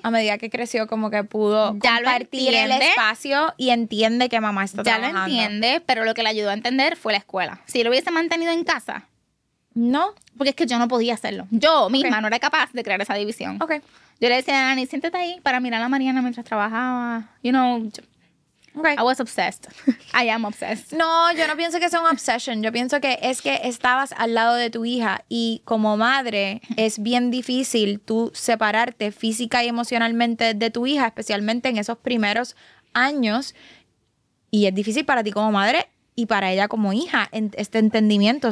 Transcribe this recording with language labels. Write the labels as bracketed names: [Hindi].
[Spanish] A medida que creció como que pudo ya compartir el espacio y entiende que mamá está trabajando. Ya lo entiende, pero lo que le ayudó a entender fue la escuela. Si lo hubiese mantenido en casa. No. Porque es que yo no podía hacerlo. Yo misma no era capaz de crear esa división. Ok. Yo le decía a Dani, siéntate ahí para mirar a Mariana mientras trabajaba. [English] You know. Okay. I was obsessed. I am obsessed. [Spanish] No, yo no pienso que sea un obsession. Yo pienso que es que estabas al lado de tu hija y como madre es bien difícil tú separarte física y emocionalmente de tu hija, especialmente en esos primeros años. Y es difícil para ti como madre y para ella como hija este entendimiento.